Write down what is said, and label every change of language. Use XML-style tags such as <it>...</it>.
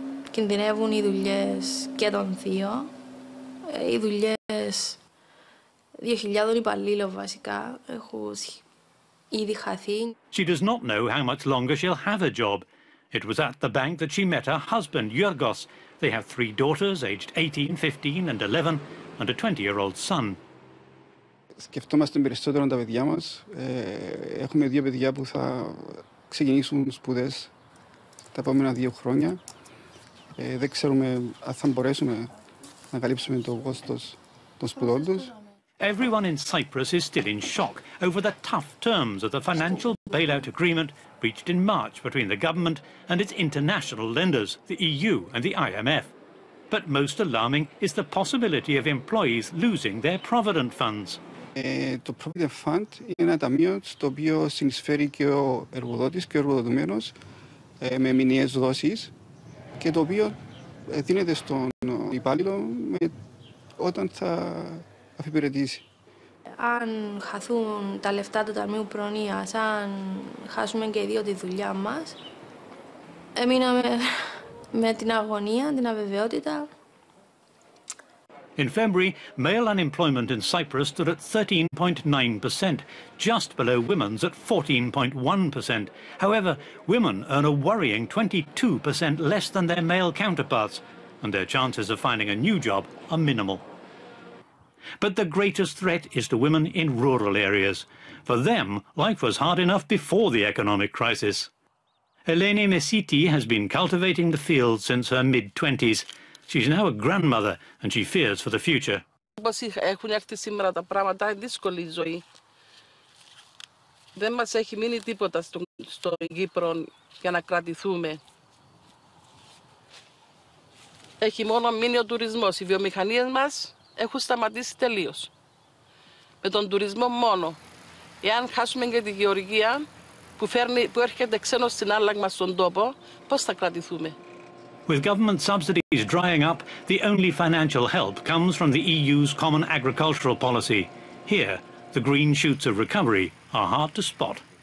<el>Κινδυνεύουν οι δουλειές και των δύο. Οι δουλειές 2,000 υπαλλήλων βασικά έχουν ήδη χαθεί.</el> <en>She does not know how much longer she'll have a job. It was at the bank that she met her husband, Yorgos. They have three daughters, aged 18, 15 and 11, and a 20-year-old son.</en> <el>Σκεφτόμαστε περισσότερο τα παιδιά μας. Έχουμε δύο παιδιά που θα ξεκινήσουν σπουδές τα επόμενα δύο χρόνια. Δεν ξέρουμε αν θα μπορέσουμε να καλύψουμε το κόστος των σπουδών τους.</el> <en>Everyone in Cyprus is still in shock over the tough terms of the financial bailout agreement reached in March between the government and its international lenders, the EU and the IMF. But most alarming is the possibility of employees losing their provident funds.</en> <el>Το provident fund είναι ένα ταμείο στο οποίο συνεισφέρει και ο εργοδότης και ο εργοδοτουμένος με μηνιαίες δόσεις και το οποίο δίνεται στον υπάλληλο όταν θα αφιπηρετήσει. Αν χαθούν τα λεφτά του ταμείου προνοίας, αν χάσουμε και οι δύο τη δουλειά μας, εμείναμε με την αγωνία, την αβεβαιότητα.</el> <en>In February, male unemployment in Cyprus stood at 13.9%, just below women's at 14.1%. However, women earn a worrying 22% less than their male counterparts, and their chances of finding a new job are minimal. But the greatest threat is to women in rural areas. For them, life was hard enough before the economic crisis. Eleni Mesiti has been cultivating the field since her mid-20s. She's now a grandmother and she fears for the future.</en> <el>Όπως έχουν έρθει σήμερα τα πράγματα, είναι δύσκολη η ζωή. Δεν μας έχει μείνει τίποτα στο Κύπρο για να κρατηθούμε. Έχει μόνο μείνει ο τουρισμός. Οι βιομηχανίες μας έχουν σταματήσει τελείως. Με τον τουρισμό μόνο. Εάν χάσουμε και τη γεωργία που έρχεται ξένος στην άλλαγμα στον τόπο, πώς θα κρατηθούμε.</el> <en>With government subsidies drying up, the only financial help comes from the EU's common agricultural policy. Here, the green shoots of recovery are hard to spot.</en>